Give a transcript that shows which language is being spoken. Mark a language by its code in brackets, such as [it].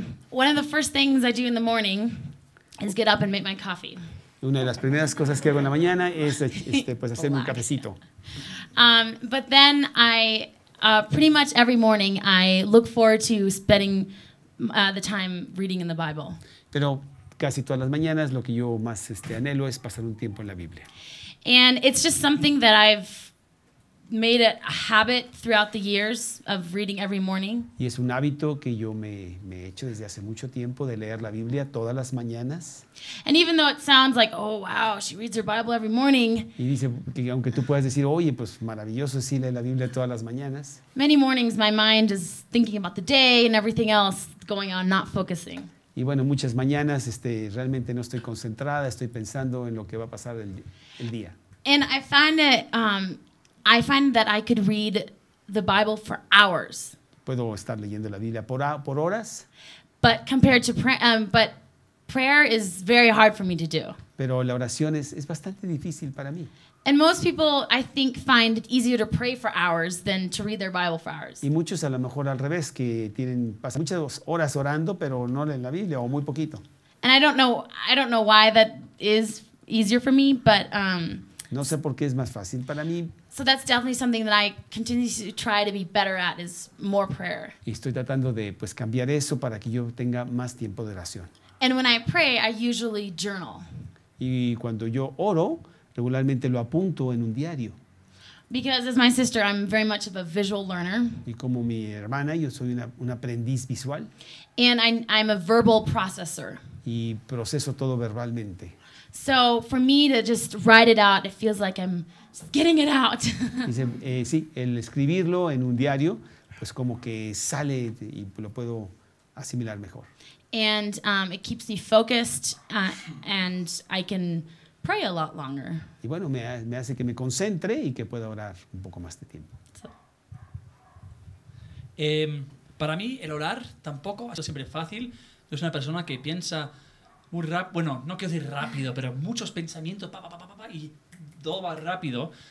[en] One of the first things I do in the morning is get up and make my coffee. [es] Una de las primeras cosas que hago en la mañana es pues hacerme un cafecito. [en] But then I pretty much every morning I look forward to spending the time reading in the Bible. [es] Pero casi todas las mañanas lo que yo más anhelo es pasar un tiempo en la Biblia. [en] And it's just something that I've made it a habit throughout the years of reading every morning. [es] Y es un hábito que yo me he hecho desde hace mucho tiempo de leer la Biblia todas las mañanas. [en] And even though it sounds like, oh wow, she reads her Bible every morning. [es] Y dice que aunque tú puedas decir, oye, pues maravilloso, sí lee la Biblia todas las mañanas. [en] Many mornings my mind is thinking about the day and everything else going on, not focusing. [es] Y bueno, muchas mañanas realmente no estoy concentrada, estoy pensando en lo que va a pasar el día. [en] And I find it I find that I could read the Bible for hours. [es] Puedo estar leyendo la Biblia por horas. [en] But compared to but prayer is very hard for me to do. [es] Pero la oración es bastante difícil para mí. [en] And most people, I think, find it easier to pray for hours than to read their Bible for hours. [es] Y muchos a lo mejor al revés, que pasan muchas horas orando, pero no leen la Biblia o muy poquito. [en] And I don't know why that is easier for me, but [es] no sé por qué es más fácil para mí. [en] So that's definitely something that I continue to try to be better at is more prayer. [es] Y estoy tratando de pues cambiar eso para que yo tenga más tiempo de oración. [en] And when I pray, I usually journal. [es] Y cuando yo oro, regularmente lo apunto en un diario. [en] Because as my sister, I'm very much of a visual learner. [es] Y como mi hermana, yo soy un aprendiz visual. [en] And I'm a verbal processor. [es] Y proceso todo verbalmente. [en] So for me to just write it out, it feels like I'm getting it out. [es] Dice, sí, el escribirlo en un diario, pues como que sale y lo puedo asimilar mejor. [en] And it keeps me focused, and I can pray a lot longer. [es] Y bueno, me hace que me concentre y que pueda orar un poco más de tiempo. Para mí, el orar tampoco ha sido siempre fácil. Yo soy una persona que piensa muy rápido, bueno, no quiero decir rápido, pero muchos pensamientos, pa, y todo va rápido.